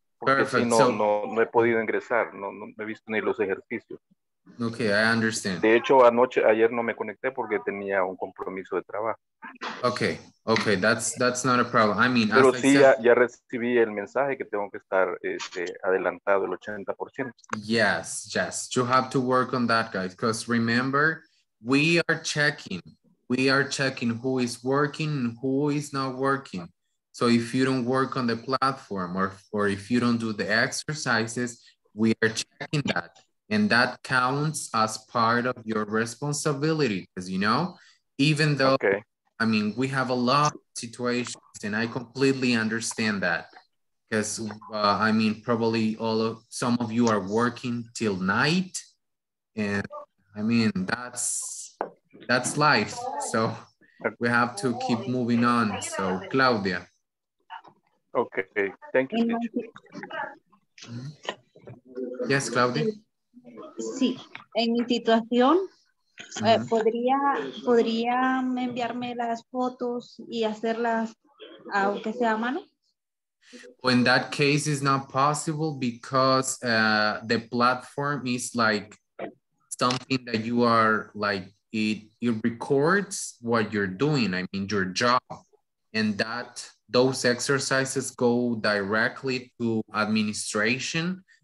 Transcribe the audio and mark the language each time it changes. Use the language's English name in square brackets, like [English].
[Spanish] No he podido ingresar, no he visto ni los ejercicios. [English] Okay, I understand. [Spanish] De hecho, ayer no me conecté porque tenía un compromiso de trabajo. [English] Okay, that's not a problem. I mean, [Spanish] pero sí, ya recibí el mensaje que tengo que estar adelantado el 80%. [English] Yes, you have to work on that, guys, because remember, we are checking who is working and who is not working. So if you don't work on the platform or if you don't do the exercises, we are checking that. And that counts as part of your responsibility, because you know, even though, okay. I mean, we have a lot of situations and I completely understand that. Because I mean, probably some of you are working till night. And I mean, that's life. So we have to keep moving on. So Claudia. Okay, thank you. Yes, Claudia. [Spanish] Sí, en mi situación, uh-huh. ¿podría enviarme las fotos y hacerlas aunque sea a mano? [English] Well, in that case, it's not possible because the platform is like something that you are like, it records what you're doing, I mean, your job, and that... Those exercises go directly to administration.